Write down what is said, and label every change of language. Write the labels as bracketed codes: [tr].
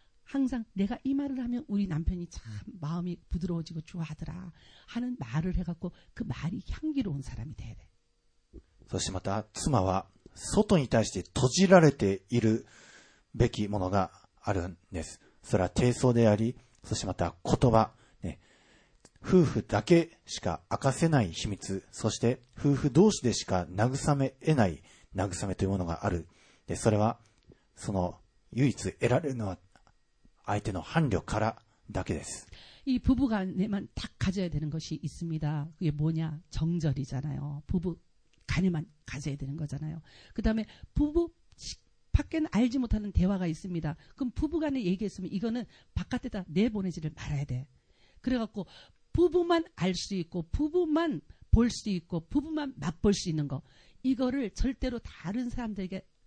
[ko] 항상 내가 이 말을 하면 우리 남편이 참 마음이 부드러워지고 좋아하더라 하는 말을 해갖고 그 말이 향기로운 사람이 돼야 돼. [ja] そしてまた妻は外に対して閉じられているべきものがあるんです。それは体操であり、そしてまた言葉、ね、夫婦だけしか明かせない秘密、そして夫婦同士でしか慰め得ない慰めというものがある。で、それはその唯一得られるのは相手の伴侶からだけです。 [ko] 이 부부가 내 만 딱 가져야 되는 것이 있습니다. 그게 뭐냐? 정절이잖아요. 부부 간에만 가져야 되는 거잖아요. 그 다음에 부부밖에는알지못하는대화가있습니다그럼부부간에얘기했으면이거는바깥에다내보내지를말아야돼그래갖고부부만알수있고부부만볼수있고부부만맛볼수있는거이거를절대로다른사람들에게